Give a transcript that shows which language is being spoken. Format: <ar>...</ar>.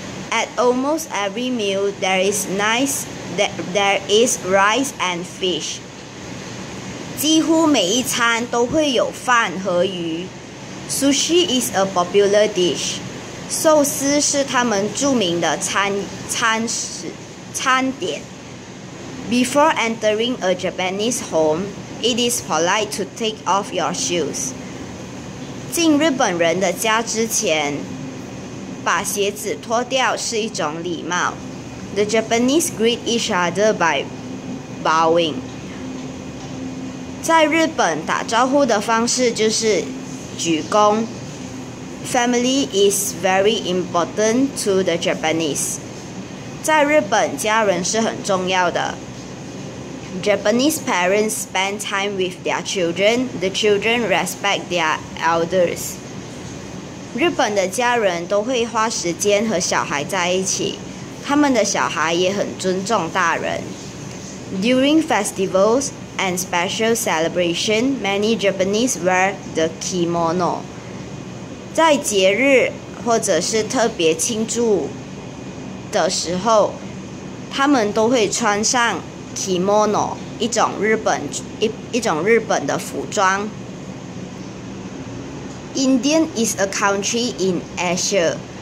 <en>At almost every meal, there is rice and fish.</en> <zh>几乎每一餐都会有饭和鱼。</zh> <en>Sushi is a popular dish.</en> <zh>寿司是他们著名的餐点。</zh> <en>Before entering a Japanese home, it is polite to take off your shoes.</en> <zh>进日本人的家之前，把鞋子脱掉是一种礼貌。</zh> <en>The Japanese greet each other by bowing.</en> <zh>在日本打招呼的方式就是鞠躬。</zh> <en>Family is very important to the Japanese.</en> <zh>在日本，家人是很重要的。</zh> <en>Japanese parents spend time with their children. The children respect their elders.</en> <zh>日本的家人都会花时间和小孩在一起，他们的小孩也很尊重大人。</zh> <en>During festivals,and special celebration, many Japanese wear the kimono.</en> <zh>在节日或者是特别庆祝的时候，他们都会穿上 kimono, 一种日本的服装。</zh> <en>India is a country in Asia.</en>